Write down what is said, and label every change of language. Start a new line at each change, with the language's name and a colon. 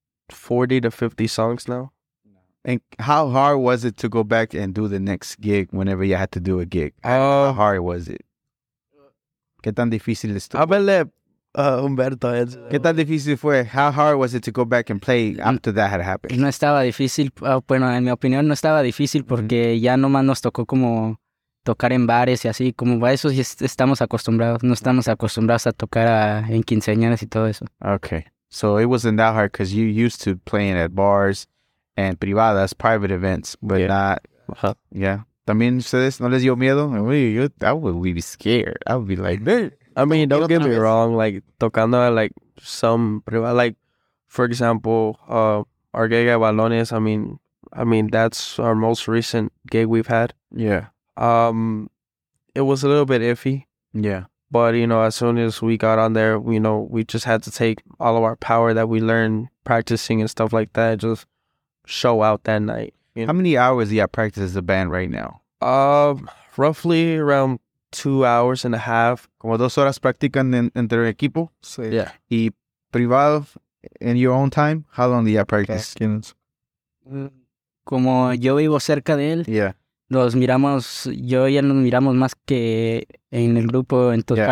English: 40 to 50 songs now. And how hard was it to go back and do the next gig whenever you had to do a gig? How hard was it?
Spanish: ¿Qué tan difícil estuvo? Háblele a Humberto. ¿Qué tan difícil fue?
English: How hard was it to go back and play after that had happened?
Spanish: No estaba difícil. Bueno, en mi opinión, no estaba difícil porque ya nomás nos tocó como tocar en bares y así. Como a eso sí estamos acostumbrados. No estamos acostumbrados a tocar en quinceañeras y todo eso.
English: Okay. So it wasn't that hard because you used to playing at bars and privadas, private events, but yeah.
Spanish: Not... Uh-huh. Yeah. ¿También ustedes no les dio miedo?
English: I would be scared. I would be like, man. I mean, don't get me wrong. Like, tocando at, like, some privada... Like, for example, our gig at Balones, I mean, that's our most recent gig we've had. Yeah. It was a little bit iffy. Yeah. But, you know, as soon as we got on there, you know, we just had to take all of our power that we learned practicing and stuff like that, just show out that night. You know? How many hours do you practice as a band right now? Roughly around 2 hours and a half.
Spanish: Como dos horas practican entre el equipo? Sí. Yeah. Y privado,
English: in your own time, how long do you practice? Okay.
Spanish: Como yo vivo cerca de él.
English: Yeah.
Spanish: Nos miramos, yo y él nos miramos más que en el grupo, entonces yeah.